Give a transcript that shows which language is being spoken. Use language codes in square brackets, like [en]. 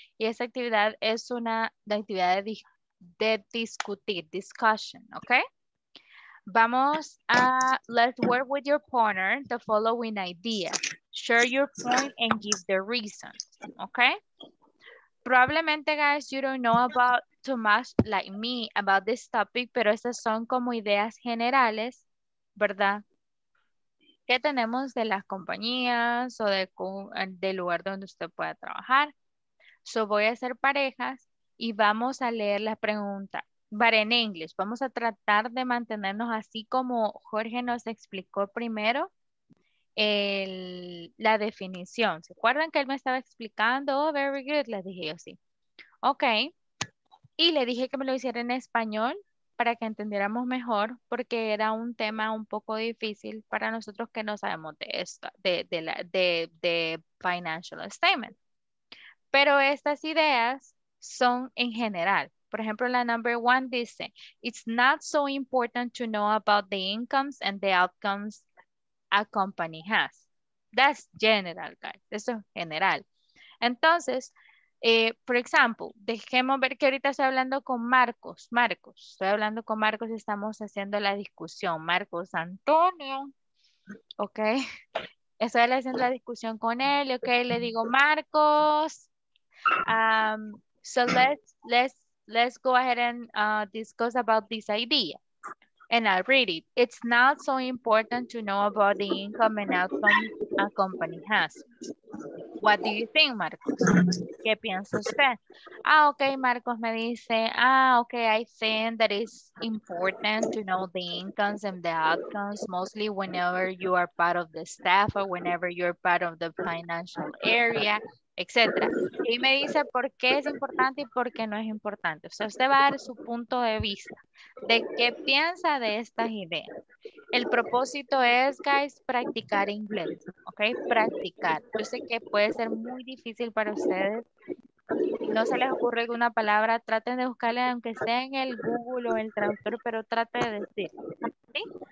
[es] Y esta actividad es una actividad de discutir, [en] discussion, [es] okay? Vamos a, [en] let's work with your partner the following idea. Share your point and give the reason, okay? [es] Probablemente, [en] guys, you don't know about too much like me about this topic, [es] pero estas son como ideas generales, ¿verdad? ¿Qué tenemos de las compañías o del lugar donde usted pueda trabajar? [en] So [es] voy a hacer parejas y vamos a leer la pregunta. [en] But in English, [es] vamos a tratar de mantenernos así como Jorge nos explicó primero la definición. ¿Se acuerdan que él me estaba explicando? [en] Oh, very good, [es] le dije yo sí. Ok. Y le dije que me lo hiciera en español para que entendiéramos mejor, porque era un tema un poco difícil para nosotros que no sabemos de esto, de [en] financial statement. [es] Pero estas ideas son en general. Por ejemplo, la [en] number one [es] dice, [en] it's not so important to know about the incomes and the outcomes a company has. That's general, guys. [es] Eso es general. Entonces, por ejemplo, dejemos ver que ahorita estoy hablando con Marcos. Marcos, estoy hablando con Marcos y estamos haciendo la discusión. Marcos Antonio, ok. Estoy haciendo la discusión con él, ok. Le digo, [en] Marcos, so let's go ahead and discuss about this idea. And I'll read it. It's not so important to know about the income and outcome a company has. What do you think, Marcos? [es] ¿Qué piensa usted? Ah, ok, Marcos me dice, [en] ah, ok, I think that it's important to know the incomes and the outcomes, mostly whenever you are part of the staff or whenever you're part of the financial area, etc. [es] Y me dice por qué es importante y por qué no es importante. O sea, usted va a dar su punto de vista de qué piensa de estas ideas. El propósito es, guys, practicar inglés, ¿ok? Practicar. Yo sé que puede ser muy difícil para ustedes. Si no se les ocurre alguna palabra, traten de buscarla, aunque sea en el Google o el traductor, pero traten de decir, ¿sí?